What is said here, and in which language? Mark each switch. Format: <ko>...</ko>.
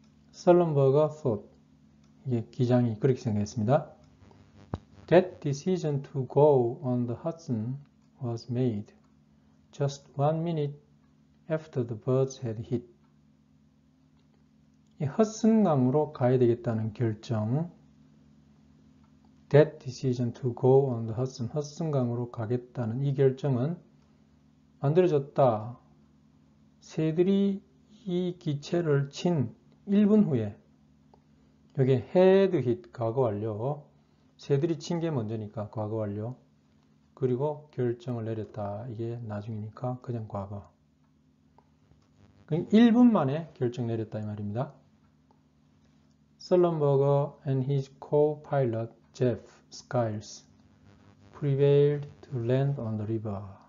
<en>설렌버그 thought.</en> <ko>이게 기장이 그렇게 생각했습니다.</ko> <en>That decision to go on the Hudson was made just 1 minute after the birds had hit.</en> <ko>이 허슨강으로 가야 되겠다는 결정.</ko> <en>That decision to go on the Hudson,</en> <ko>허슨강으로 가겠다는 이 결정은 만들어졌다. 새들이 이 기체를 친 1분 후에, 여기 head hit, 과거 완료. 새들이 친 게 먼저니까 과거 완료. 그리고 결정을 내렸다. 이게 나중이니까 그냥 과거. 1분 만에 결정 내렸다 이 말입니다.</ko> <en>Sullenberger and his co-pilot Jeff Skiles prevailed to land on the river.</en>